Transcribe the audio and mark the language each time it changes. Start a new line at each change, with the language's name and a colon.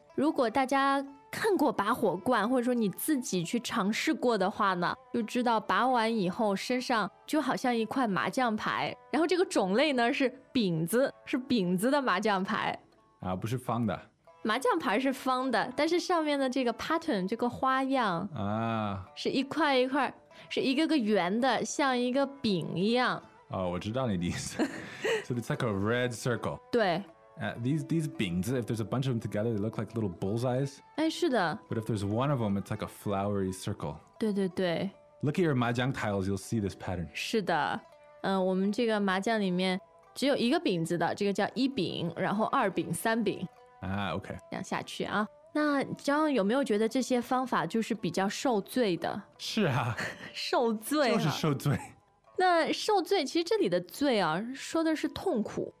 Chinese: 如果大家看过拔火罐，或者说你自己去尝试过的话呢，就知道拔完以后身上就好像一块麻将牌，然后这个种类呢是饼子，是饼子的麻将牌啊，不是方的。麻将牌是方的，但是上面的这个 pattern 这个花样啊，是一块一块，是一个个圆的，像一个饼一样。哦，我知道你的意思。
English: So it's like a red circle.
Chinese: 对。
English: These 饼子, if there's a bunch of them together, they look like little bullseyes.
Chinese: 哎，是的。
English: But if there's one of them, it's like a flowery circle.
Chinese: 对对对。
English: Look at your 麻将 tiles, you'll see this pattern.
Chinese: 是的。我们这个麻将里面只有一个饼子的，这个叫一饼，然后二饼、三饼。啊，OK。这样下去啊。那江有没有觉得这些方法就是比较受罪的？是啊。受罪啊。就是受罪。那受罪，其实这里的罪啊，说的是痛苦。